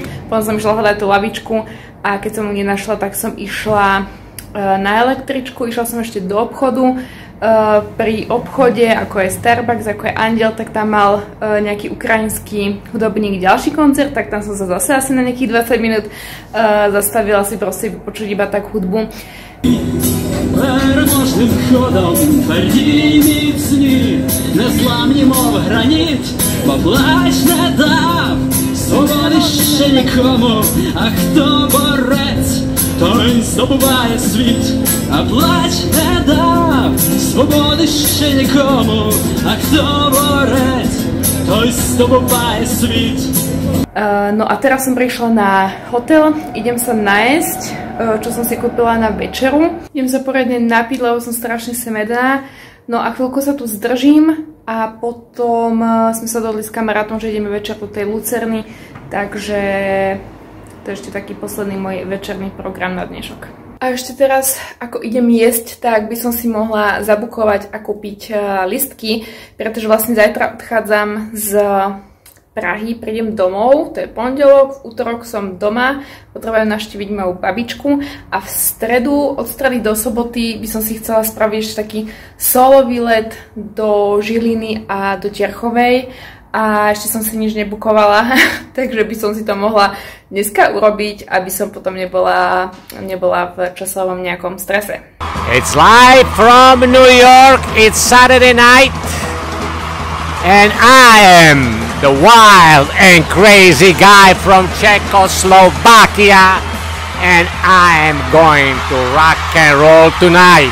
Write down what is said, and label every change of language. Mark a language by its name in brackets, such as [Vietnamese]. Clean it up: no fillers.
[Slovak] Potom som išla hľadať tú lavičku a keď som ju nenašla, tak som išla na električku, išla som ešte do obchodu. Pri obchode, ako je Starbucks, ako je Andiel, tak tam mal nejaký ukrajinský hudobník ďalší koncert, tak tam som sa zase asi na nejakých 20 minút zastavila si proste počuť iba tak hudbu. [Ukrainian] Перед кожним ходом тверді й міцні, не зламні, мов граніт, поплач не дав свободи ще нікому, а хто борець, той забуває світ, а плач не дав свободи ще нікому, а хто борець, той забуває світ. [Slovak] No a teraz som prišla na hotel, idem sa najesť, čo som si kúpila na večeru. Idem sa poriadne napiť, lebo som strašne smedná. No a chvíľko sa tu zdržím a potom sme sa dohodli s kamarátom, že ideme večer po tej Lucerny. Takže to je ešte taký posledný môj večerný program na dnešok. A ešte teraz, ako idem jesť, tak by som si mohla zabukovať a kúpiť listky, pretože vlastne zajtra odchádzam z Prahy, prídem domov, to je pondelok, v útorok som doma, potrebujem navštíviť moju babičku a v stredu, od stredy do soboty by som si chcela spraviť ešte taký solo výlet do Žiliny a do Tierchovej a ešte som si nič nebukovala, takže by som si to mohla dneska urobiť, aby som potom nebola v časovom nejakom strese. [English] It's live from New York, it's Saturday night and I am the wild and crazy guy from Czechoslovakia, and I am going to rock and roll tonight.